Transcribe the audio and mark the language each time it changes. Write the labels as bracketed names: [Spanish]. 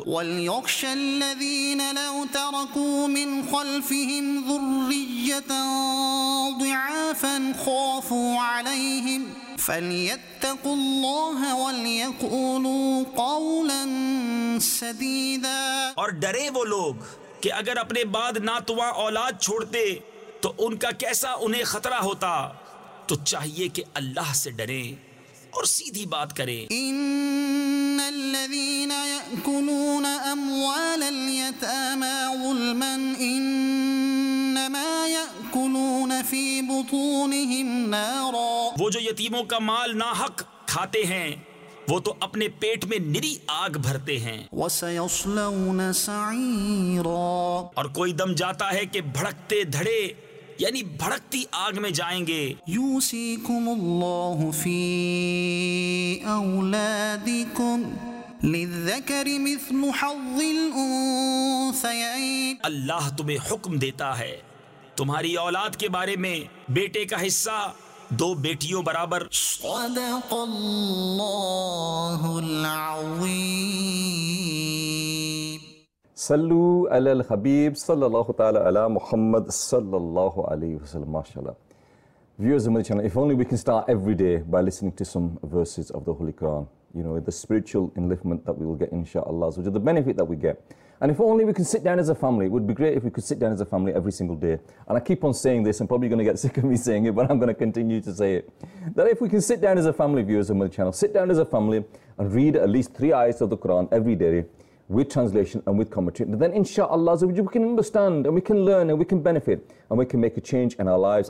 [Arabic] وَلْيَخْشَ الَّذِينَ لَوْ تَرَكُوا مِنْ خَلْفِهِمْ ذُرِّيَّةً ضِعَافًا خَافُوا عَلَيْهِمْ فَلْيَتَّقُوا اللَّهَ وَلْيَقُولُوا قَوْلًا سَدِيدًا [Urdu] اور ڈرے وہ لوگ کہ اگر اپنے بعد ناتواں اولاد چھوڑتے تو ان کا کیسا انہیں خطرہ ہوتا تو چاہیے کہ اللہ سے ڈریں اور سیدھی بات کریں [Arabic] ان الذين ياكلون اموال اليتامى ظلما انما ياكلون في بطونهم نارا [Urdu] وہ جو یتیموں کا مال ناحق کھاتے ہیں وہ تو اپنے پیٹ میں نری آگ بھرتے ہیں [Arabic] وسيصلون سعيرا [Urdu] اور کوئی دم جاتا ہے کہ بھڑکتے دھڑے یعنی بھڑکتی آگ میں جائیں گے [Arabic] یوصیکم اللہ فی اولادکم للذكر مثل حظ الأنثيين. [Urdu] اللہ تمہیں حکم دیتا ہے تمہاری اولاد کے بارے میں بیٹے کا حصہ دو بیٹیوں برابر. [Arabic] صدق اللہ العظیم. صلو علی الحبیب صلی اللہ تعالی علی محمد صلی اللہ علیہ وسلم. [English] ماشاءاللہ viewers of my channel, if only we can start every day by listening to some verses of the Holy Quran, you know, the spiritual enlightenment that we will get inshallah, so the benefit that we get. And if only we can sit down as a family, it would be great if we could sit down as a family every single day. And I keep on saying this, I'm probably going to get sick of me saying it, but I'm going to continue to say it, that if we can sit down as a family, viewers of my channel, sit down as a family and read at least 3 ayahs of the Quran every day with translation and with commentary, and then inshallah we can understand and we can learn and we can benefit and we can make a change in our lives.